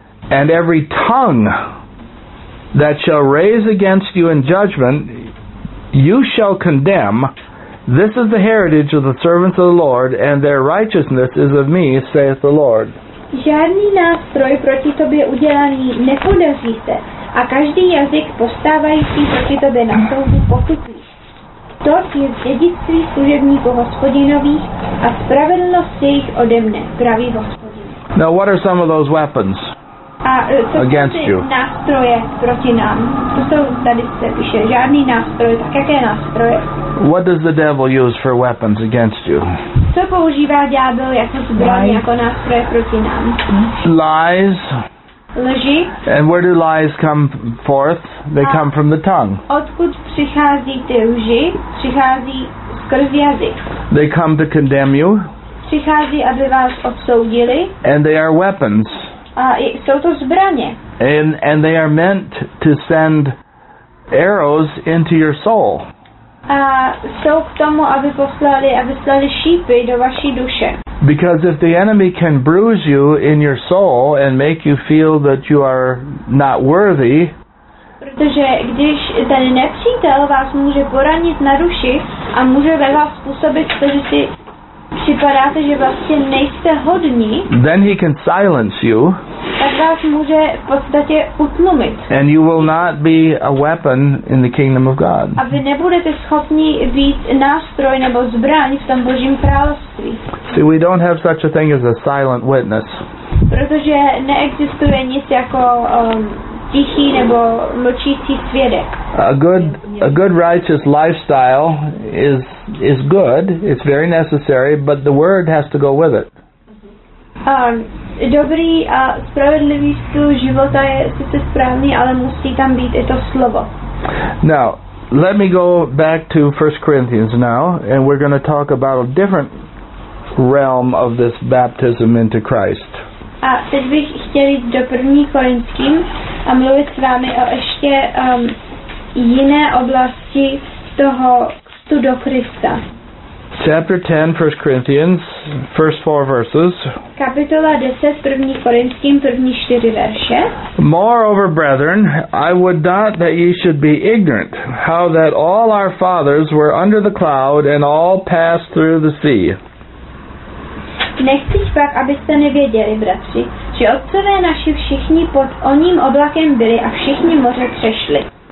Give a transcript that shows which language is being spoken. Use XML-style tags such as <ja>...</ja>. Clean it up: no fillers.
<en>And every tongue that shall raise against you in judgment, you shall condemn. This is the heritage of the servants of the Lord, and their righteousness is of me, saith the Lord.</en> <cs>Žádný nástroj proti tobě udělaný nepodaří se, a každý jazyk postávající proti tobě na soudu pochutí. To je dědictví služebníků hospodinových a spravedlnost jejich ode mne, pravý hospodin.</cs> <en>Now what are some of those weapons? Against you.</en> <cs>Nástroje proti nám. To jsou, tady se píše, žádný nástroj, tak jaké nástroje?</cs> <en>What does the devil use for weapons against you?</en> <cs>Co používá ďábel jako zbraň, jako nástroje proti nám?</cs> <en>Lies.</en> <cs>Lži.</cs> <en>And where do lies come forth? They come from the tongue.</en> <cs>Odkud přichází ty lži? Přichází skrz jazyk.</cs> <en>They come to condemn you.</en> <cs>Přichází, aby vás odsoudili.</cs> <en>And they are weapons.</en> <cs>A jsou to zbraně.</cs> <en>And they are meant to send arrows into your soul.</en> <cs>A jsou k tomu, aby poslali šípy do vaší duše.</cs> <en>Because if the enemy can bruise you in your soul and make you feel that you are not worthy.</en> <cs>Protože když ten nepřítel vás může poranit na duši a může ve vás způsobit to, že si připadáte, že vlastně nejste hodní.</cs> <en>Then he can silence you.</en> <cs>Tak vás může v podstatě utlumit.</cs> <en>And you will not be a weapon in the kingdom of God.</en> <cs>A vy nebudete schopni být nástroj nebo zbraň v tom Božím království.</cs> <en>See, we don't have such a thing as a silent witness.</en> <cs>Protože neexistuje nic jako tichý nebo mlčící svědek.</cs> <en>A good righteous lifestyle is good, it's very necessary, but the word has to go with it.</en> <cs>Dobrý a spravedlivý styl života je sice správný, ale musí tam být i to slovo.</cs> <en>Now, let me go back to 1 Corinthians now, and we're going to talk about a different realm of this baptism into Christ.</en> <cs>A teď bych chtěl jít do 1. Korinským a mluvit s vámi o ještě jiné oblasti toho křtu do Krista.</cs> <en>Chapter 10, 1 Corinthians, first four verses.</en> <cs>Kapitola 10, 1. Korinským, první čtyři verše.</cs> <en>Moreover, brethren, I would not that ye should be ignorant, how that all our fathers were under the cloud and all passed through the sea.</en> <cs>Nechci pak, abyste nevěděli, bratři, že otcové naši všichni pod oním oblakem byli a všichni moře přešli.</cs>